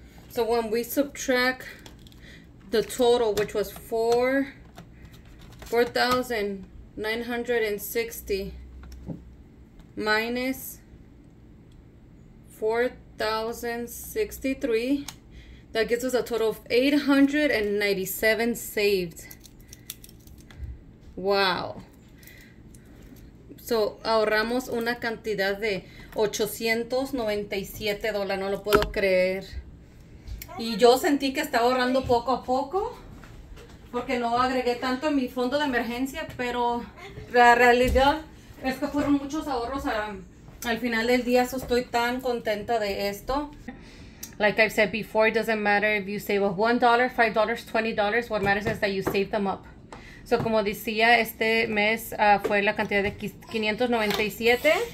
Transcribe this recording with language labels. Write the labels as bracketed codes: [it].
[en] So when we subtract the total, which was 4,960 minus 4,063, that gives us a total of 897 saved. Wow. [es] So ahorramos una cantidad de $897. No lo puedo creer. Y yo sentí que estaba ahorrando poco a poco porque no agregué tanto en mi fondo de emergencia, pero la realidad es que fueron muchos ahorros al final del día. So estoy tan contenta de esto. [en] Like I've said before, it doesn't matter if you save $1, $5, $20. What matters is that you save them up. [es] So como decía, este mes fue la cantidad de 597.